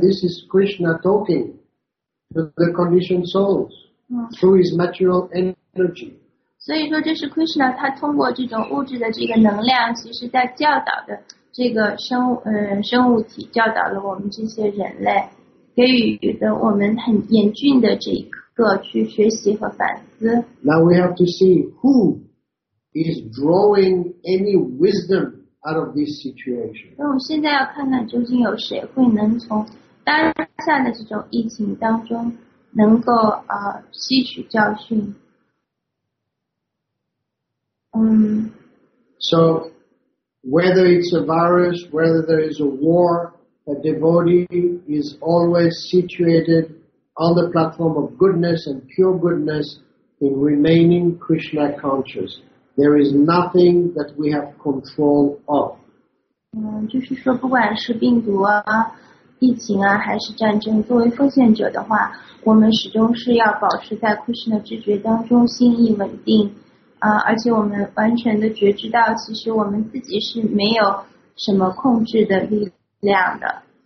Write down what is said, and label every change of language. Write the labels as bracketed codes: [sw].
[en] This is Krishna talking to the conditioned souls through his material energy. [zh] 所以说，这是 Krishna 他通过这种物质的这个能量，其实在教导的这个生物体，教导了我们这些人类，给予的我们很严峻的这个去学习和反思。 [en] Now we have to see who is drawing any wisdom. Out of this situation. [zh] 那我们现在要看看究竟有谁会能从当下的这种疫情当中能够吸取教训。 [en] So whether it's a virus, whether there is a war, a devotee is always situated on the platform of goodness and pure goodness in remaining Krishna conscious. There is nothing that we have control of. [zh] 就是说不管是病毒啊疫情啊还是战争，作为奉献者的话，我们始终是要保持在 Krishna 知觉当中，心意稳定啊，而且我们完全的觉知到其实我们自己是没有什么控制的力量的。